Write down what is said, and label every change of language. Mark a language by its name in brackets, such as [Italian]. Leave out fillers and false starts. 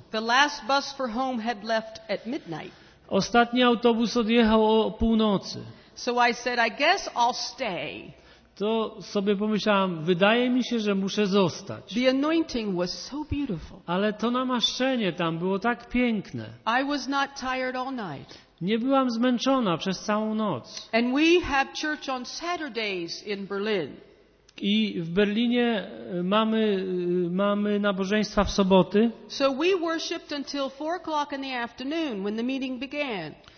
[English] The last bus for home had left at midnight. [Polish] Ostatni autobus odjechał o północy. [English] So I said, I guess I'll stay. [Polish] To sobie pomyślałam, wydaje mi się, że muszę zostać. [English] The anointing was so beautiful. [Polish] Ale to namaszczenie tam było tak piękne. [English] I was not tired all night. [Polish] Nie byłam zmęczona przez całą noc. [English] And we have church on Saturdays in Berlin. [Polish] I w Berlinie mamy nabożeństwa w soboty. [English] So we worshiped until 4 o'clock in the afternoon when the meeting began.